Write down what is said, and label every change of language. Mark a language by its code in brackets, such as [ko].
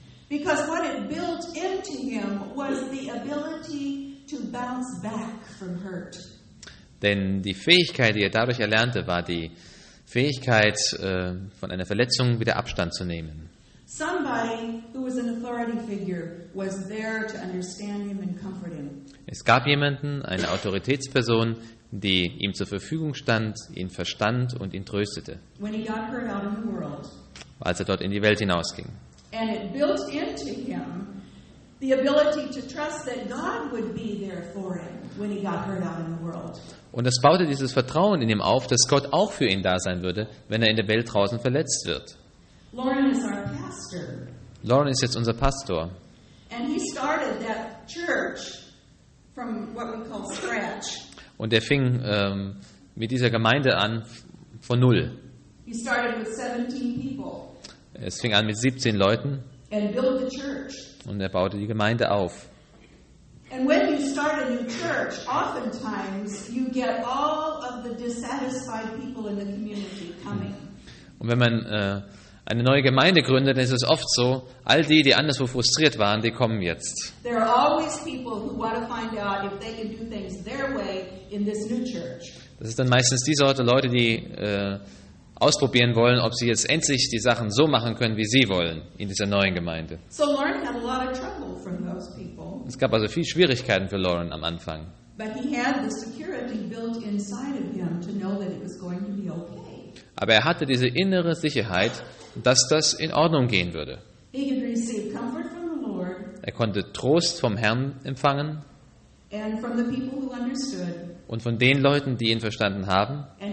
[en] Because what it built into him was the ability to bounce back from hurt. [de] Denn die Fähigkeit, die er dadurch erlernte, war die Fähigkeit, von einer Verletzung wieder Abstand zu nehmen. [en] Somebody who was an authority figure was there to understand him and comfort him. [de] Es gab jemanden, eine Autoritätsperson, die ihm zur Verfügung stand, ihn verstand und ihn tröstete. [en] When he got hurt out in the world. [de] Als er dort in die Welt hinausging. [en] And it built into him the ability to trust that God would be there for him when he got hurt out in the world. [de] Und es baute dieses Vertrauen in ihm auf, dass Gott auch für ihn da sein würde, wenn er in der Welt draußen verletzt wird. [en] Lauren is our pastor. [de] Lauren ist jetzt unser Pastor. [en] And he started that church from what we call scratch. [de] Und er fing mit dieser Gemeinde an von null. [en] He started with 17 people. [de] Es fing an mit 17 Leuten. [en] And built the church. [de] Und er baute die Gemeinde auf. [en] And when you start a new church, oftentimes you get all of the dissatisfied people in the community coming. [de] Und wenn man eine neue Gemeinde gründet, dann ist es oft so, all die, die anderswo frustriert waren, die kommen jetzt. [en] There are always people who want to find out if they can do things their way in this new church. [de] Das ist dann meistens die Sorte Leute, die ausprobieren wollen, ob sie jetzt endlich die Sachen so machen können, wie sie wollen, in dieser neuen Gemeinde. [en] So Lauren had a lot of trouble from those people. [de] Es gab also viele Schwierigkeiten für Lauren am Anfang. [en] But he had the security built inside of him to know that it was going to be okay. [de] Aber er hatte diese innere Sicherheit, dass das in Ordnung gehen würde. [en] He could receive comfort from the Lord. [de] Er konnte Trost vom Herrn empfangen. [en] And from the people who understood. [de] Und von den Leuten, die ihn verstanden haben.